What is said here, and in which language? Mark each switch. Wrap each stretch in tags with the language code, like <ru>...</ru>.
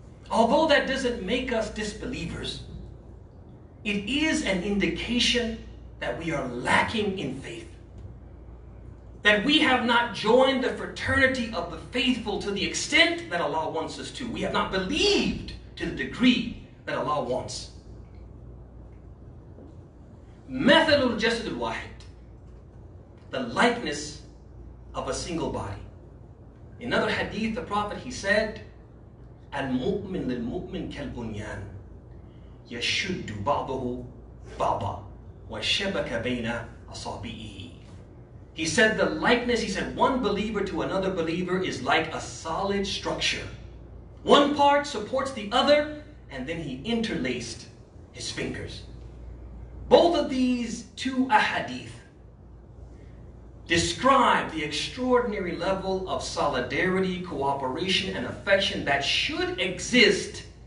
<en>Although that doesn't make us disbelievers, it is an indication that we are lacking in faith, that we have not joined the fraternity of the faithful to the extent that Allah wants us to. We have not believed to the degree that Allah wants.</en> <ar>مثل الجسد الواحد,</ar> <en>the likeness of a single body. In another hadith, the Prophet, he said,</en> <ar>المؤمن للمؤمن كالبنيان يشد بعضه بعضا وشبك بين أصابعه.</ar> <en>He said the likeness, he said, one believer to another believer is like a solid structure. One part supports the other, and then he interlaced his fingers. Both of these two ahadith describe the extraordinary level of solidarity, cooperation, and affection that should exist</en>